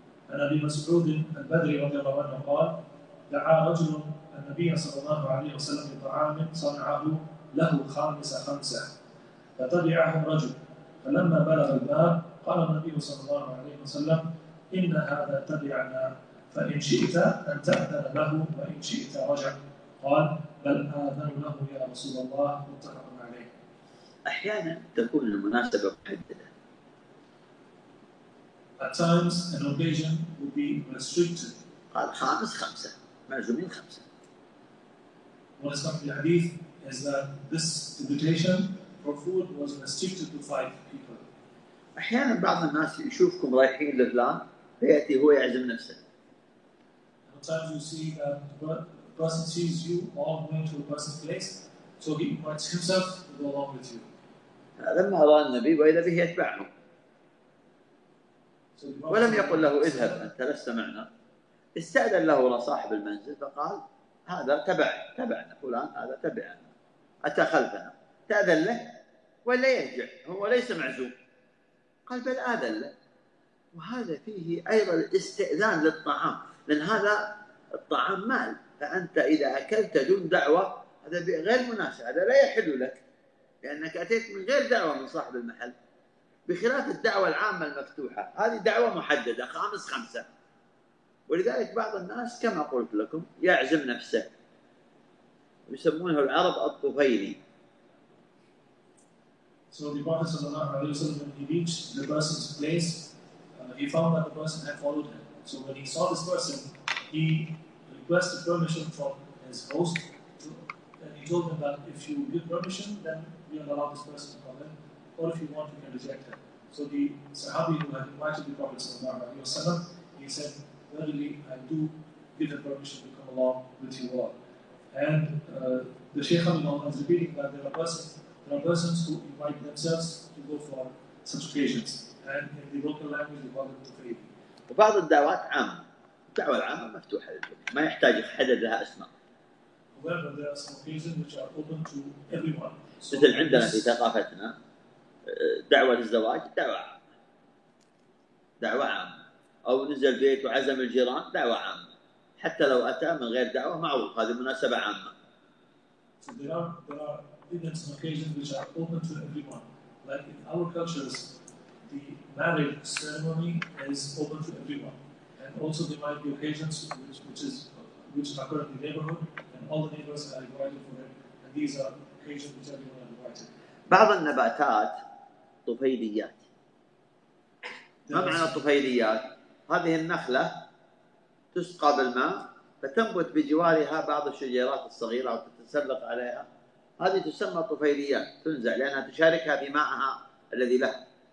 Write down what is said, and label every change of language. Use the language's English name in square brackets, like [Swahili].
[Arabic] عن أبي مسعود البدري رضي الله عنه قال دعا رجل النبي صلى الله عليه وسلم لطعام صنعه له خامس خمسة فتبعه رجل فلما بلغ الباب قال النبي صلى الله عليه وسلم إن هذا تبعنا فإن شئت أن تأذن له وإن شئت رجع قال بل آذن له يا رسول الله متفق عليه. أحيانا تكون المناسبة محددة. [English] At times, an occasion would be restricted. [Arabic] قال خامس خمسة، معزومين خمسة. [English] What is come to the hadith is that this invitation for food was restricted to five people. [Arabic] أحيانا بعض الناس يشوفكم رايحين لفلان فيأتي هو يعزم نفسه. [English] At times you see that the person sees you all going to a person's place, so he invites himself to go along with you. [Arabic] هذا ما رأى النبي وإذا به يتبعه. ولم يقل له اذهب أنت لست معنا، استأذن له لصاحب المنزل فقال هذا تبعنا فلان، هذا تبعنا أتى خلفنا، تأذن له ولا يرجع، هو ليس معزوم. قال بل آذن له. وهذا فيه أيضا استئذان للطعام، لأن هذا الطعام مال، فأنت إذا أكلت دون دعوة هذا غير مناسب، هذا لا يحل لك لأنك أتيت من غير دعوة من صاحب المحل، بخلاف الدعوة العامة المفتوحة، هذه دعوة محددة خامس خمسة. ولذلك بعض الناس كما قلت لكم يعزم نفسه، يسمونه العرب الطفيلي. [English] So the Prophet [Arabic] صلى الله عليه وسلم [English] when he reached the person's place, he found that the person had followed him. So when he saw this person, he requested permission from his host. Then he told him that if you give permission, then we will allow this person to come in. Or if you want, you can reject him. So the Sahabi who had invited the Prophet [Arabic] sallallahu alaihi wasallam, [English] he said, "Verily, I do give him permission to come along with you all." And the Shaykh al-Imam is repeating that there are persons who invite themselves to go for such occasions. And in the local language, they call it tufayli. [Arabic] وبعض الدعوات عامة، الدعوة العامة مفتوحة للجميع، ما يحتاج حدد لها اسماء. [English] However, there are some occasions which are open to everyone. [Arabic] So مثل عندنا في ثقافتنا دعوة الزواج دعوة عامة، أو نزل بيت وعزم الجيران دعوة عامة، حتى لو أتى من غير دعوة معروف هذه مناسبة عامة. [English] So there are events and occasions which are open to everyone. Like in our cultures, the marriage ceremony is open to everyone. And also there might be occasions which occur in the neighborhood and all the neighbors are invited for it. And these are occasions which everyone are invited. [Arabic] بعض النباتات طفيليات. ما معنى الطفيليات؟ هذه النخلة تسقى بالماء فتنبت بجوارها بعض الشجيرات الصغيرة وتتسلق عليها، هذه تسمى طفيليات، تنزع لأنها تشاركها بماءها الذي لها.